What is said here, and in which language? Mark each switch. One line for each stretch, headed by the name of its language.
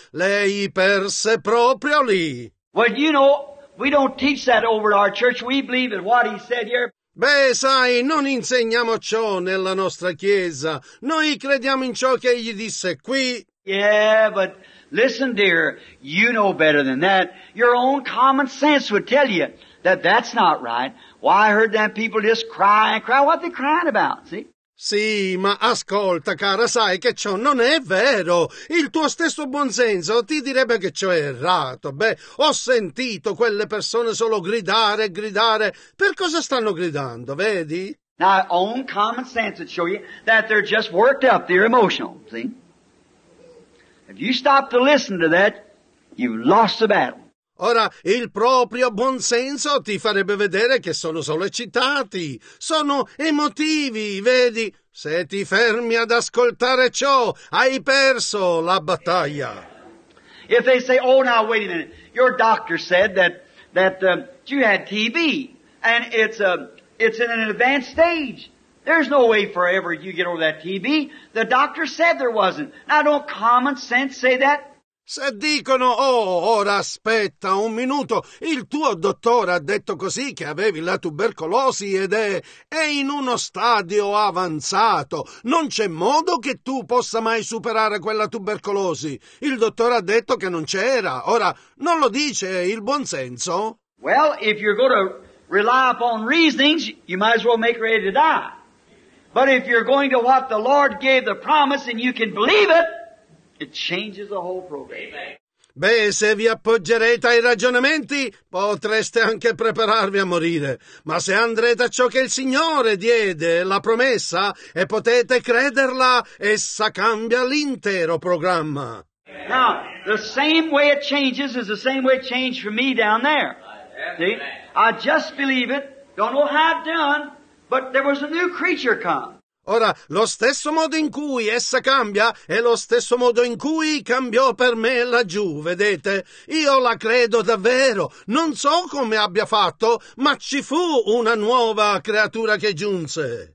Italian: Lei perse proprio lì.
English: Well, you know, we don't teach that over our church, we believe in what he said here.
Italian: Beh, sai, non insegniamo ciò nella nostra chiesa, noi crediamo in ciò che egli disse qui.
English: Yeah, but... Listen, dear, you know better than that. Your own common sense would tell you that that's not right. Why, I heard that people just cry and cry. What are they crying about? See?
Italian: Sì, ma ascolta, cara, sai che ciò non è vero. Il tuo stesso buon senso ti direbbe che ciò è errato. Beh, ho sentito quelle persone solo gridare e gridare. Per cosa stanno gridando, vedi?
English: Now, own common sense would show you that they're just worked up, they're emotional, see? If you stop to listen to that, you've lost the battle.
Italian: Ora, il proprio buon senso ti farebbe vedere che sono solo eccitati. Sono emotivi, vedi? Se ti fermi ad ascoltare ciò, hai perso la battaglia.
English: If they say, oh, now, wait a minute, your doctor said that you had TB, and it's in an advanced stage. There's no way forever you get over that TB. The doctor said there wasn't. Now, don't common sense say that?
Italian: Se dicono, oh, ora aspetta un minuto, il tuo dottore ha detto così che avevi la tubercolosi ed è in uno stadio avanzato. Non c'è modo che tu possa mai superare quella tubercolosi. Il dottore ha detto che non c'era. Ora, non lo dice il buon senso?
English: Well, if you're going to rely upon reasonings, you might as well make ready to die. But if you're going to what the Lord gave the promise and you can believe it, it changes the whole program. Amen.
Italian: Beh, se vi appoggerete ai ragionamenti, potreste anche prepararvi a morire. Ma se andrete a ciò che il Signore diede, la promessa, e potete crederla, essa cambia l'intero programma. Amen.
English: Now, the same way it changes is the same way it changed for me down there. Amen. See? I just believe it. Don't know how it's done. But there was a new creature come.
Italian: Ora, lo stesso modo in cui essa cambia è lo stesso modo in cui cambiò per me laggiù, vedete? Io la credo davvero. Non so come abbia fatto, ma ci fu una nuova creatura che giunse.